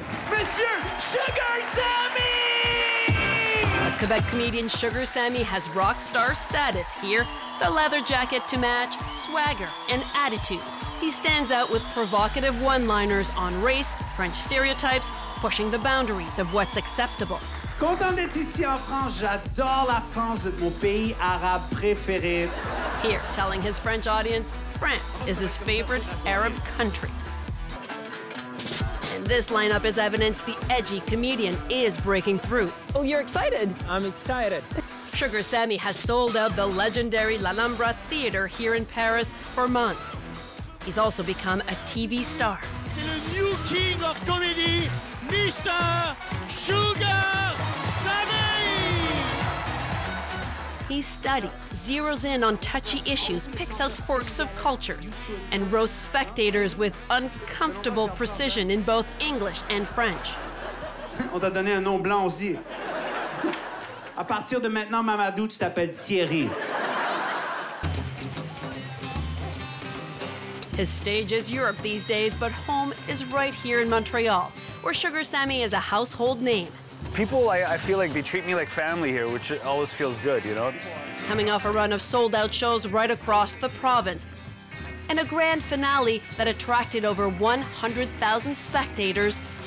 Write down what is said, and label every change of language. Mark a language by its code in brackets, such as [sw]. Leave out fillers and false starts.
[fr] Monsieur Sugar Sammy! [en] Quebec comedian Sugar Sammy has rock star status here, the leather jacket to match, swagger and attitude. He stands out with provocative one-liners on race, French stereotypes, pushing the boundaries of what's acceptable. [fr] Content d'être ici en France. J'adore la France, c'est mon pays arabe préféré. [en] Here, telling his French audience, France is his favorite Arab country. And this lineup is evidence the edgy comedian is breaking through. Oh, you're excited? I'm excited. Sugar Sammy has sold out the legendary L'Alhambra Theater here in Paris for months. He's also become a TV star. [fr] C'est le [en] new king of comedy, Mr. Sugar Sammy! He studies, zeroes in on touchy issues, picks out quirks of cultures, and roasts spectators with uncomfortable precision in both English and French. [fr] On t'a donné un nom blanc aussi. À partir de maintenant, Mamadou, tu t'appelles Thierry. [en] His stage is Europe these days, but home is right here in Montreal, where Sugar Sammy is a household name. People, I feel like they treat me like family here, which always feels good, you know? Coming off a run of sold-out shows right across the province, and a grand finale that attracted over 100,000 spectators.